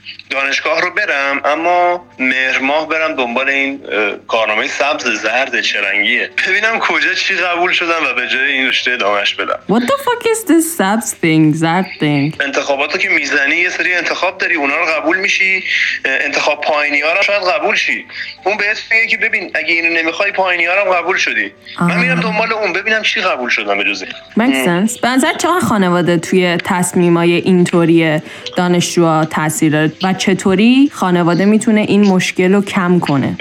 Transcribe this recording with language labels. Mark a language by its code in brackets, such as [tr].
[fa] دانشگاه رو برم، اما مهر ماه برم دنبال این کارنامه سبز زرد چرنگیه، ببینم کجا چی قبول شدم و به جای این رشته ادامهش بدم. [en] What the fuck is this سبز thing, زرد thing؟ [fa] انتخاباتو که میزنی یه سری انتخاب داری، اونا رو قبول میشی، انتخاب پایینی ها رو شاید قبول شی. اون بهت میگه که ببین اگه اینو نمیخوای پایینی ها رو قبول شدی. من میرم دنبال اون ببینم چی قبول شدم به جز این. [en] Makes sense. [fa] بنظرت چقدر خانواده توی تصمیمای اینطوری دانشجوها تاثیر داره و چطوری خانواده میتونه این مشکل رو کم کنه؟